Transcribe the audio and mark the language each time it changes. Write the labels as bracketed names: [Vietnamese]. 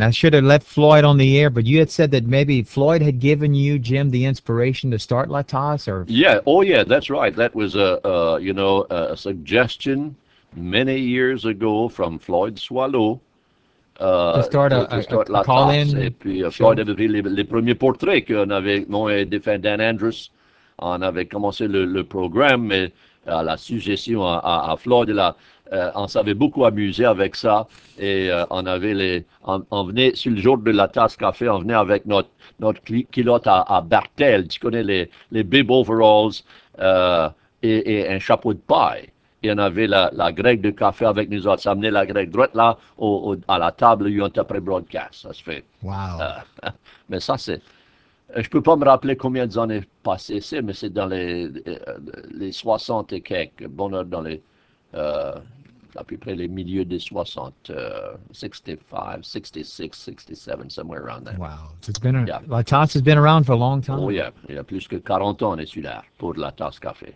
[English] I should have left Floyd on the air, but you had said that maybe Floyd had given you, Jim, the inspiration to start La Tasse, or... Yeah, oh yeah, that's right. That was a suggestion many years ago from Floyd Swallow. To start a call-in. [French] Et puis Floyd avait pris les premiers portraits qu'on avait, moi et défunt Dan Andrews, on avait commencé le programme, mais à la suggestion à Floyd, on s'avait beaucoup amusé avec ça, et on venait, sur le jour de la tasse café, on venait avec notre culotte à Bartel, tu connais les bib overalls, et un chapeau de paille. Et on avait la grecque de café avec nous autres. Ça amenait la grecque droite là, à la table où on t'a pré-broadcast. Ça se fait. [English] Wow. [French] Mais ça, c'est... Je peux pas me rappeler combien de années passées, c'est, mais c'est dans les 60 et quelques. Bonheur dans les... à peu près les milieux des 60. [English] 65, 66, 67, somewhere around there. Wow. So it's been La Tasse has been around for a long time. Oh, yeah. [French] Il y a plus que 40 ans, on est celui-là, pour La Tasse Café.